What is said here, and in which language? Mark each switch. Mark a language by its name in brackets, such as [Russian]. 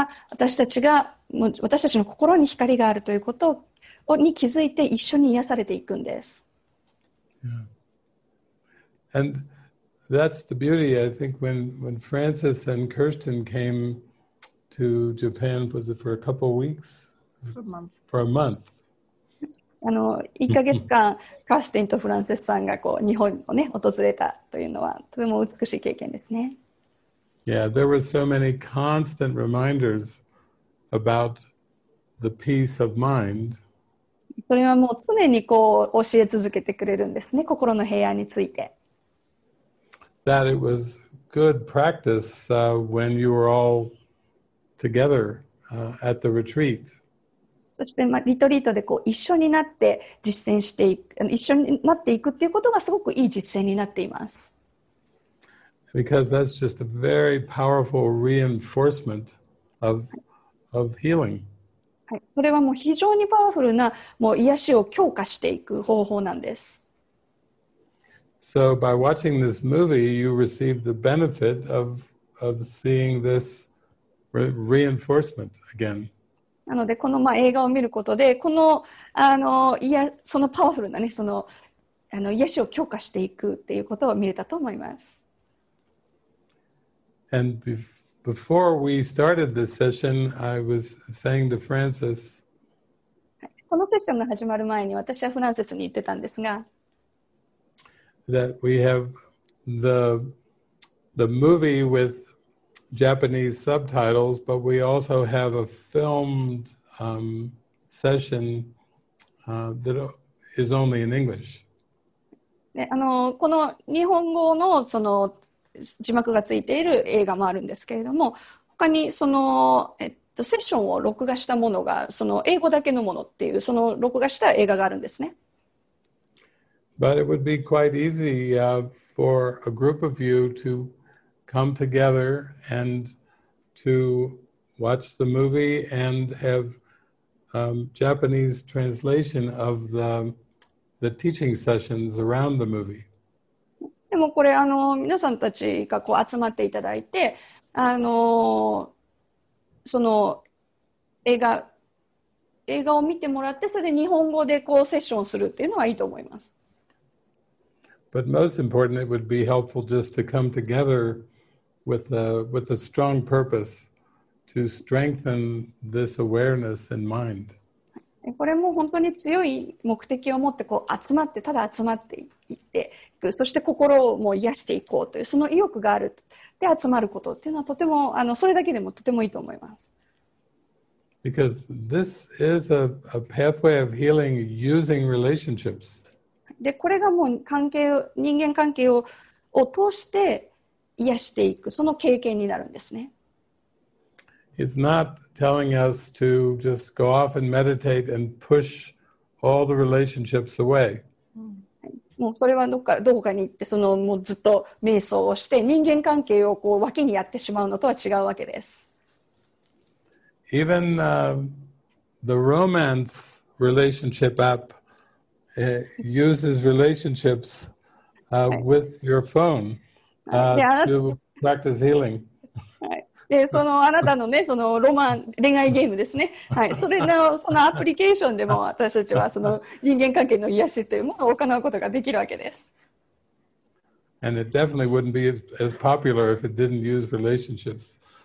[Japanese] 私たちの心に光があるということに気づいて一緒に癒されていくんです。 [English] Yeah. And that's the beauty, I think, when Francis and Kirsten came to Japan, was it for a couple weeks? For a month. For a month. [Japanese] 1ヶ月間、カースティンとフランセスさんがこう日本を、ね、訪れたというのは、とても美しい経験ですね。 [English] Yeah, there were so many constant reminders about the peace of mind. [Japanese] それはもう常にこう教え続けてくれるんですね、心の平安について。 [English] That it was good practice when you were all together at the retreat. [Japanese] そして、まあ、リトリートでこう一緒になって実践していく、一緒になっていくっていうことがすごくいい実践になっています。 [English] Because that's just a very powerful reinforcement of healing. [Japanese] はい、それはもう非常にパワフルなもう癒しを強化していく方法なんです。 [English] So by watching this movie, you receive the benefit of seeing this reinforcement again. [Japanese] なのでこのまあ映画を見ることでこのいやそのパワフルなねその癒しを強化していくっていうことを見れたと思います。 [English] And before we started this session, I was saying to Francis. [Japanese] このセッションが始まる前に私はフランセスに言ってたんですが。 [English] That we have the movie with Japanese subtitles, but we also have a filmed session that is only in English. [Japanese] この日本語のその字幕がついている映画もあるんですけれども、他にそのセッションを録画したものがその英語だけのものっていうその録画した映画があるんですね。 [English] But it would be quite easy for a group of you to come together and to watch the movie and have Japanese translation of the teaching sessions around the movie. [Japanese] でもこれ皆さんたちがこう集まっていただいてその映画を見てもらってそれで日本語でこうセッションするっていうのはいいと思います。 [English] But most important, it would be helpful just to come together with a strong purpose to strengthen this awareness in mind. [Japanese] これも本当に強い目的を持ってこう集まってただ集まっていって、そして心をもう癒していこうというその意欲があるで集まることっていうのはとてもそれだけでもとてもいいと思います。 [English] Because this is a pathway of healing using relationships. [Japanese] でこれがもう関係人間関係 を通して癒していくその経験になるんですね。 [English] It's not telling us to just go off and meditate and push all the relationships away. [Japanese] もうそれはどこかに行ってそのもうずっと瞑想をして人間関係をこう脇にやってしまうのとは違うわけです。 [English] Even the romance relationship app. Uses relationships with your phone to practice healing. [Japanese] で、そのあなたのね、そのロマン恋愛ゲームですね。はい、それのそのアプリケーションでも私たちはその人間関係の癒しというものを行うことができるわけです。 [English] And it definitely wouldn't be as popular if it didn't use relationships.